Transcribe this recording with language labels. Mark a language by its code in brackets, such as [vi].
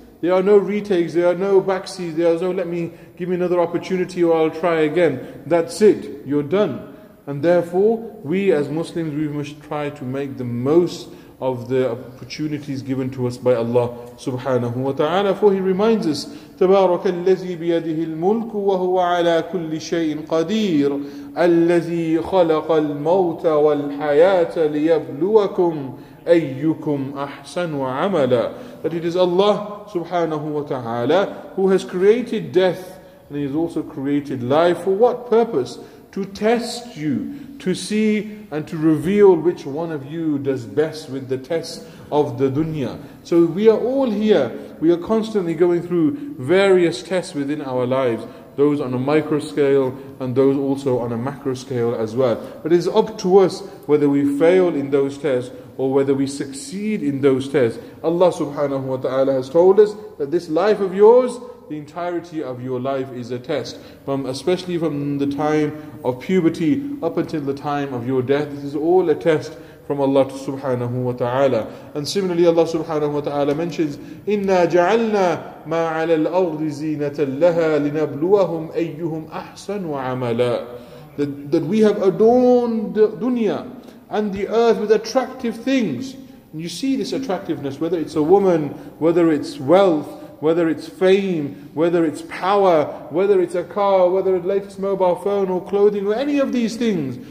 [en] There are no retakes, there are no backseats, there is no give me another opportunity or I'll try again. That's it, you're done. And therefore, we as Muslims, we must try to make the most of the opportunities given to us by Allah subhanahu wa ta'ala. For He reminds us, [ar] تبارك الذي بيده الملك وهو على كل شيء قدير الذي خلق الموت والحياة ليبلوكم أيكم أحسن عملا. [en] That it is Allah subhanahu wa ta'ala who has created death and He has also created life. For what purpose? To test you, to see and to reveal which one of you does best with the test of the dunya. So we are all here, we are constantly going through various tests within our lives, those on a micro scale and those also on a macro scale as well. But it is up to us whether we fail in those tests or whether we succeed in those tests. Allah subhanahu wa ta'ala has told us that this life of yours, the entirety of your life is a test. Especially from the time of puberty up until the time of your death, this is all a test from Allah subhanahu wa ta'ala. [ar] And similarly, Allah subhanahu wa ta'ala mentions, إِنَّا جَعَلْنَا مَا عَلَى الْأَرْضِ زِينَةً لَهَا لِنَبْلُوَهُمْ أَيُّهُمْ أَحْسَنُ وَعَمَلًا. [en] That we have adorned dunya and the earth with attractive things. And you see this attractiveness, whether it's a woman, whether it's wealth, whether it's fame, whether it's power, whether it's a car, whether it's latest mobile phone or clothing or any of these things.